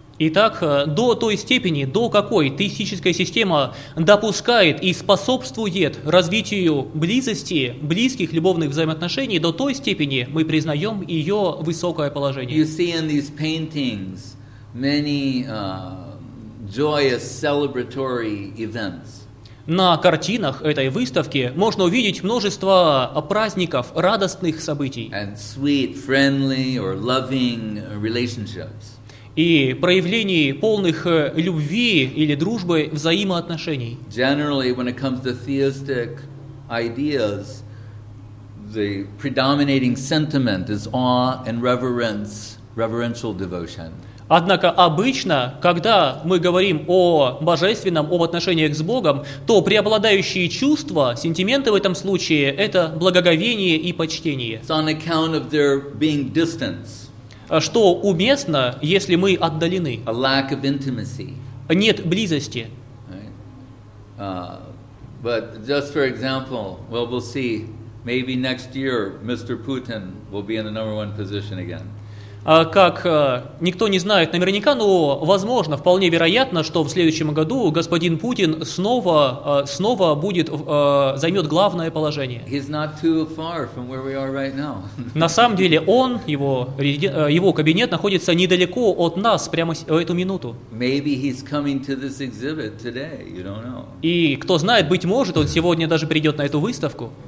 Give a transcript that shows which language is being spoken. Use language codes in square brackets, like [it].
[ru] Итак, до той степени, до какой теистическая система допускает и способствует развитию близости, близких любовных взаимоотношений, до той степени мы признаем ее высокое положение. [en] You see in these paintings many joyous celebratory events. [ru] На картинах этой выставки можно увидеть множество праздников, радостных событий. [en] And sweet, friendly or loving relationships. [ru] И проявлений полных любви или дружбы взаимоотношений. [en] Generally, when it comes to theistic ideas, the predominating sentiment is awe and reverence, reverential devotion. [ru] Однако обычно, когда мы говорим о божественном, об отношениях с Богом, то преобладающие чувства, сентименты в этом случае – это благоговение и почтение. [en] It's on account of there being distance. [ru] Что уместно, если мы отдалены? [en] A lack of intimacy. [ru] Нет близости. [en] But just for example, well, we'll see. Maybe next year Mr. Putin will be in the number one position again. [ru] Как никто не знает наверняка, но возможно, вполне вероятно, что в следующем году господин Путин снова будет займет главное положение. [en] He's not too far from where we are right now. [ru] На самом деле он, его кабинет находится недалеко от нас прямо в эту минуту. [en] Maybe he's coming to this exhibit today. You don't know. [ru] И кто знает, быть может, он сегодня даже придет на эту выставку.